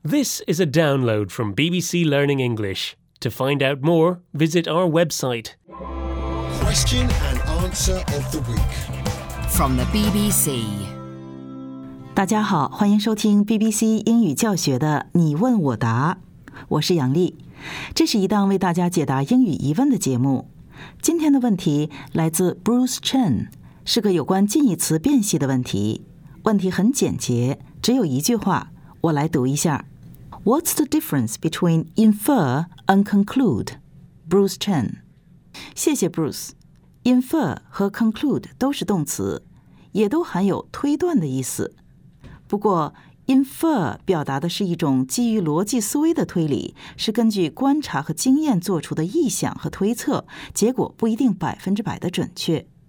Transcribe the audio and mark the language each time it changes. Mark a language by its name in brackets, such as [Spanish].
[English] This is a download from BBC Learning English. To find out more, visit our website. Question and answer of the week from the BBC. [Chinese] 大家好，欢迎收听 BBC 英语教学的你问我答，我是杨丽。这是一档为大家解答英语疑问的节目。今天的问题来自 Bruce Chen， 是个有关近义词辨析的问题。问题很简洁，只有一句话。我来读一下。 [English] What's the difference between infer and conclude? [Chinese] Bruce Chen. 谢谢 Bruce. Infer 和 conclude 都是动词，也都含有推断的意思。不过 infer 表达的是一种基于逻辑思维的推理，是根据观察和经验做出的臆想和推测，结果不一定百分之百的准确。